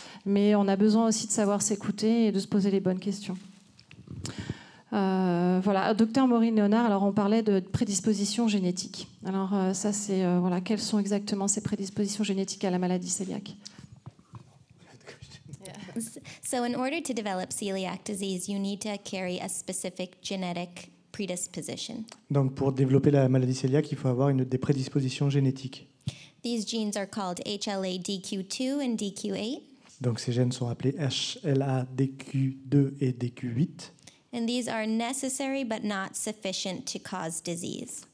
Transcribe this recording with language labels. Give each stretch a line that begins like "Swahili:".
French: Mais on a besoin aussi de savoir s'écouter et de se poser les bonnes questions. Docteur Maureen Léonard, alors on parlait de prédisposition génétique. Alors, quelles sont exactement ces prédispositions génétiques à la maladie cœliaque ?
English: So in order to develop celiac disease, you need to carry a specific genetic predisposition.
French: Donc pour développer la maladie cœliaque, il faut avoir une des prédispositions génétiques.
English: These genes are called HLA-DQ2 and DQ8.
French: Donc ces gènes sont appelés HLA-DQ2 et DQ8.
English: And these are necessary but not sufficient to cause disease.